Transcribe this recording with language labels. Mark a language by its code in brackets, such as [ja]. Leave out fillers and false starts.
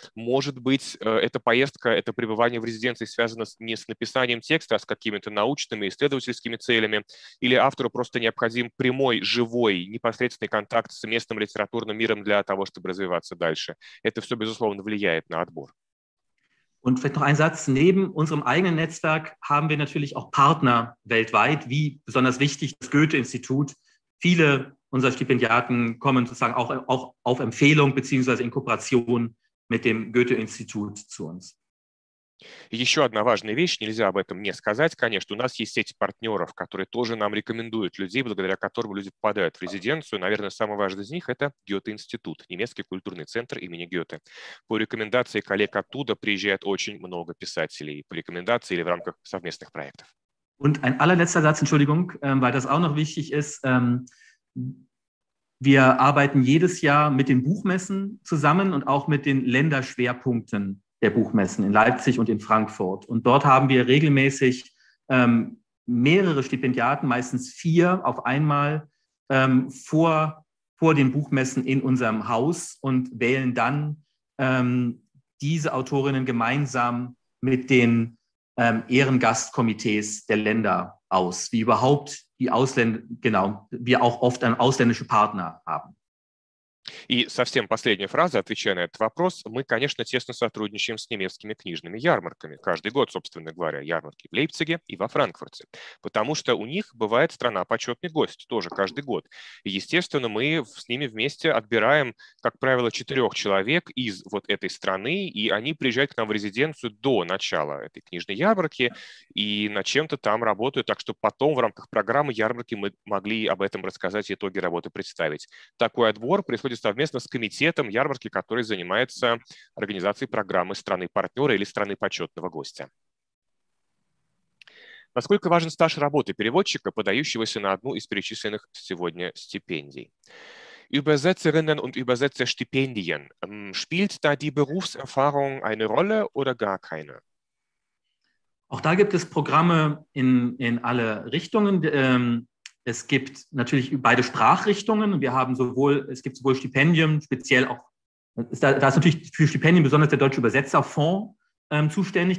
[ru] Может быть, эта поездка, это пребывание в резиденции связано не с написанием текста, а с какими-то научными, исследовательскими целями, или автору просто необходим прямой, живой, непосредственный контакт с местным литературным миром для того, чтобы развиваться дальше. Это все, безусловно, влияет на отбор. [de] Und vielleicht noch ein Satz. Neben unserem eigenen Netzwerk haben wir natürlich auch Partner weltweit, wie besonders wichtig das Goethe-Institut. Viele unserer Stipendiaten kommen sozusagen auch auf Empfehlung beziehungsweise in Kooperation mit dem Goethe-Institut zu uns. [ru] Еще одна важная вещь, нельзя об этом не сказать, конечно, у нас есть сеть партнеров, которые тоже нам рекомендуют людей, благодаря которым люди попадают в резиденцию. Наверное, самый важный из них – это Гёте-институт, немецкий культурный центр имени Гёте. По рекомендации коллег оттуда приезжает очень много писателей, по рекомендации или в рамках совместных проектов. [de] Und ein allerletzter Satz, Entschuldigung, weil das auch noch wichtig ist. Wir arbeiten jedes Jahr mit den Buchmessen zusammen und auch mit den Länderschwerpunkten der Buchmessen in Leipzig und in Frankfurt. Und dort haben wir regelmäßig mehrere Stipendiaten, meistens vier auf einmal, vor den Buchmessen in unserem Haus und wählen dann diese Autorinnen gemeinsam mit den Ehrengastkomitees der Länder aus, wie überhaupt die Ausländer, genau, wir auch oft einen ausländischen Partner haben. [ru] И совсем последняя фраза, отвечая на этот вопрос, мы, конечно, тесно сотрудничаем с немецкими книжными ярмарками. Каждый год, собственно говоря, ярмарки в Лейпциге и во Франкфурте. Потому что у них бывает страна почетный гость, тоже каждый год. И, естественно, мы с ними вместе отбираем, как правило, 4 человек из вот этой страны, и они приезжают к нам в резиденцию до начала этой книжной ярмарки и над чем-то там работают. Так что потом в рамках программы ярмарки мы могли об этом рассказать и итоги работы представить. Такой отбор происходит совместно с комитетом ярмарки, который занимается организацией программы страны-партнера или страны почетного гостя. Насколько важен стаж работы переводчика, подающегося на одну из перечисленных сегодня стипендий? [de] Übersetzerinnen und Übersetzerstipendien. Spielt da die Berufserfahrung eine Rolle oder gar keine? Auch da gibt es Programme in alle Richtungen. Es gibt natürlich beide Sprachrichtungen. Es gibt sowohl Stipendien, speziell auch, da ist natürlich für Stipendien besonders der Deutsche Übersetzerfonds zuständig.